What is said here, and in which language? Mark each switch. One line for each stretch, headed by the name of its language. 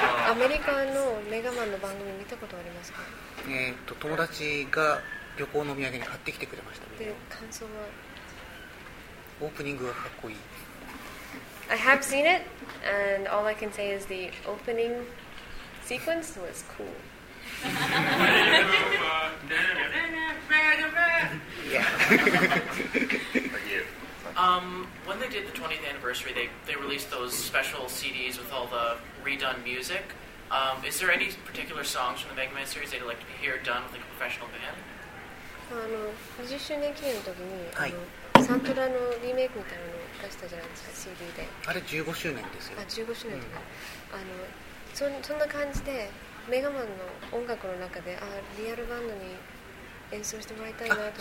Japanese: アメリカのメガマンの番組見たことありますか？友達が旅行のお土産に買ってきてくれました。で、感想は？オープニングがかっこいい。
English: I have seen it, and all I can say is the opening sequence was cool. When they did the 20th anniversary, they released those special CDs with all the redone music. Is there any particular songs from the Mega Man series they'd like to hear done with like a professional band?
Japanese: 20周年記念の時に、はい、サントラのリメイクみたいなのを出したじゃないですか、CD で。あれ15周年ですよ。あ、15周年とか、うん、そんな感じで、メガマンの音楽の中で、あ、リアルバンドに演奏してもらいたいなとか。